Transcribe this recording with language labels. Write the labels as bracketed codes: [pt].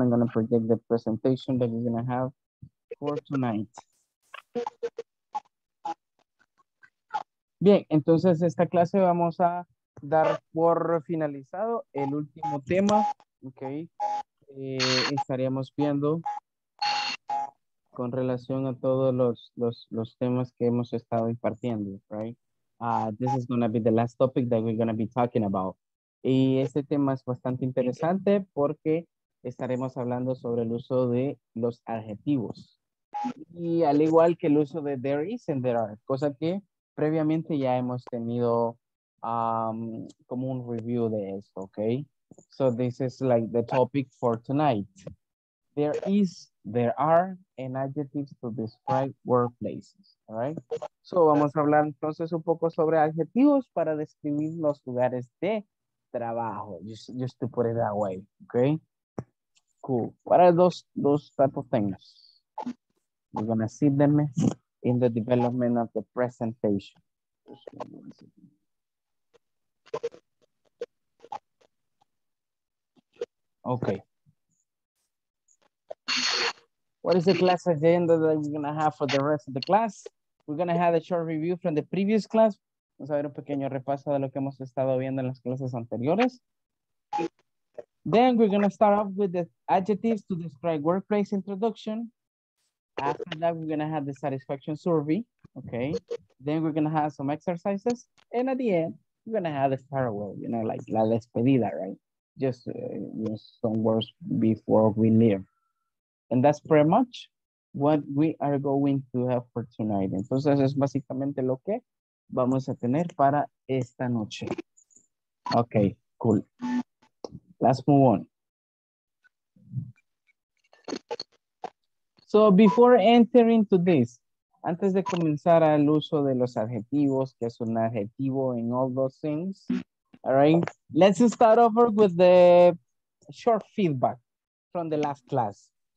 [en] I'm gonna predict the presentation that you're gonna have for tonight. [es] Bien, entonces esta clase vamos a dar por finalizado el último tema, ok, estaríamos viendo con relación a todos los temas que hemos estado impartiendo, right? [en] This is going to be the last topic that we're going to be talking about. [es] Y este tema es bastante interesante porque estaremos hablando sobre el uso de los adjetivos. Y al igual que el uso de there is and there are, cosa que previamente ya hemos tenido como un review de eso, ¿ok? [en] So this is like the topic for tonight. There is, there are, and adjectives to describe workplaces, all right? [es] So vamos a hablar entonces un poco sobre adjetivos para describir los lugares de trabajo, [en] just to put it that way, [es] ¿ok? Cool. [en] What are those type of things? We're going to see them in the development of the presentation. Okay. What is the class agenda that we're going to have for the rest of the class? We're going to have a short review from the previous class. [es] Vamos a ver un pequeño repaso de lo que hemos estado viendo en las clases anteriores. [en] Then we're going to start off with the adjectives to describe workplace introduction. After that, we're going to have the satisfaction survey, okay? Then we're going to have some exercises. And at the end, we're going to have the farewell, you know, like [es] la despedida, [en] right? Just some words before we leave. And that's pretty much what we are going to have for tonight. [es] Entonces, es básicamente lo que vamos a tener para esta noche. [en] Okay, cool. Let's move on. So before entering to this, [es] antes de comenzar al uso de los adjetivos, que es un adjetivo [en] in all those things, all right, let's start over with the short feedback from the last class.